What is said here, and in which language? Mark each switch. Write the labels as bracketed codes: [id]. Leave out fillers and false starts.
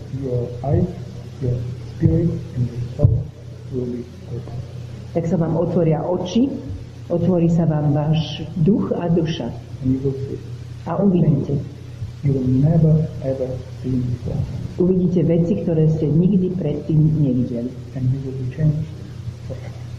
[en] your eyes, your spirit and your soul will be open. [sk] Tak sa vám otvoria oči, otvorí sa vám váš duch a duša. [en] And you will see. [sk] A uvidíte. [en] You will never, ever see before. [sk] Uvidíte veci, ktoré ste nikdy predtým nevideli. [en] And you will be changed forever.